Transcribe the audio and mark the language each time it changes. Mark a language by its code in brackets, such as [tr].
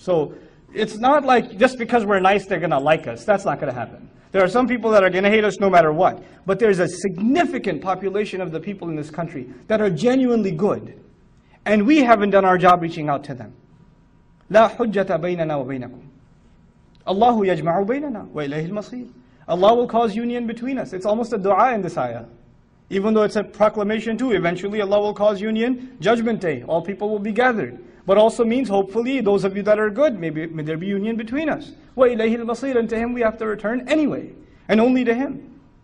[en] So, it's not like just because we're nice, they're going to like us. That's not going to happen. There are some people that are going to hate us no matter what. But there's a significant population of the people in this country that are genuinely good. And we haven't done our job reaching out to them. [ar] لا حجة بيننا وبينكم. الله يجمع بيننا وإليه المصير. [en] Allah will cause union between us. It's almost a dua in this ayah. Even though it's a proclamation too, eventually Allah will cause union, judgment day, all people will be gathered. But also means hopefully those of you that are good, maybe may there be union between us. [ar] وَإِلَيْهِ الْمَصِيرُ [en] And to Him we have to return anyway, and only to Him.